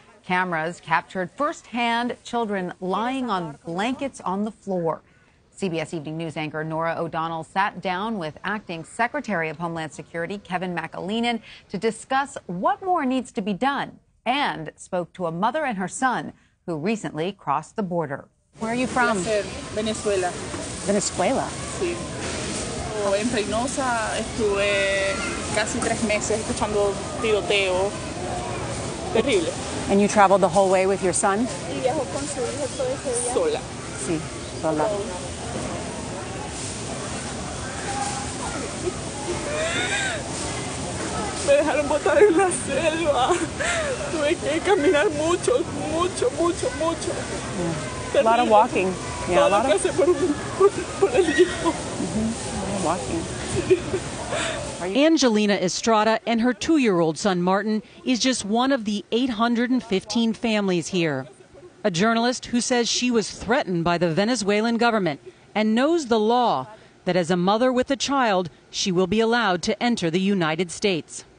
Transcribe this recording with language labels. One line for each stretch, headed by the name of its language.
English: Cameras captured firsthand children lying on blankets on the floor. CBS Evening News anchor Nora O'Donnell sat down with Acting Secretary of Homeland Security Kevin McAleenan to discuss what more needs to be done and spoke to a mother and her son who recently crossed the border. Where are you from?
Spanish: Venezuela. Venezuela? Sí. En Reynosa estuve casi tres meses escuchando tiroteo.
English: Terrible. And you traveled the whole way with your son?
Spanish: Viajó con su hijo todo ese día. Sola. Sí, sola. Me dejaron botar en la selva. Tuve que caminar mucho, mucho, mucho, mucho.
English: Yeah. A lot of walking.
Spanish: Yeah, todo lo que hace por el hijo.
English: Mm-hmm. A lot of walking. Angelina Estrada and her two-year-old son, Martin, is just one of the 815 families here. A journalist who says she was threatened by the Venezuelan government and knows the law that as a mother with a child, she will be allowed to enter the United States.